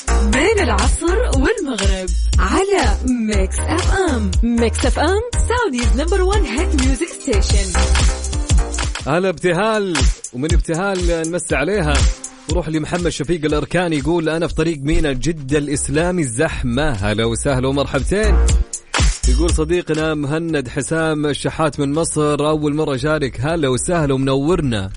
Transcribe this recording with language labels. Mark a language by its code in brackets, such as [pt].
[ar] بين العصر والمغرب على Mix FM. [en] Mix FM Saudi's number one hit music station. [ar] أهلا ابتهال، ومن ابتهال نمس عليها روح لمحمد شفيق الأركاني يقول أنا في طريق مينا جدة الإسلامي زحمة. هلا وسهلا ومرحبتين. يقول صديقنا مهند حسام الشحات من مصر أول مرة شارك، هلا وسهلا ومنورنا.